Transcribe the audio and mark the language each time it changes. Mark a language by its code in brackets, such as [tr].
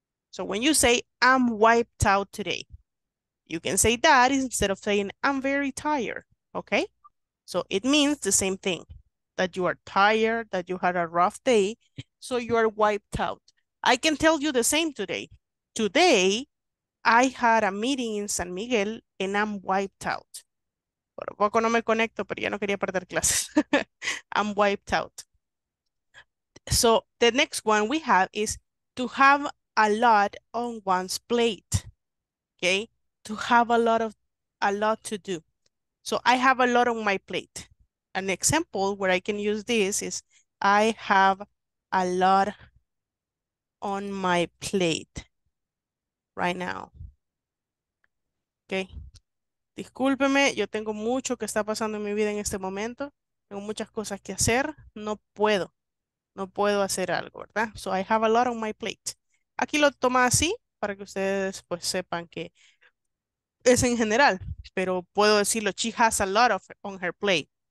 [en] So when you say, I'm wiped out today, you can say that instead of saying, I'm very tired, okay? So it means the same thing. That you are tired, that you had a rough day, so you are wiped out. I can tell you the same today. Today, I had a meeting in San Miguel and I'm wiped out. [es] Por poco no me conecto, pero ya no quería perder clases. [en] I'm wiped out. So the next one we have is to have a lot on one's plate. Okay? To have a lot to do. So I have a lot on my plate. An example where I can use this is I have a lot on my plate right now. Okay. [es] Discúlpeme, yo tengo mucho que está pasando en mi vida en este momento. Tengo muchas cosas que hacer. No puedo hacer algo, ¿verdad? [en] So I have a lot on my plate. [es] Aquí lo toma así para que ustedes pues sepan que es en general, pero puedo decirlo, [en] she has a lot of on her plate.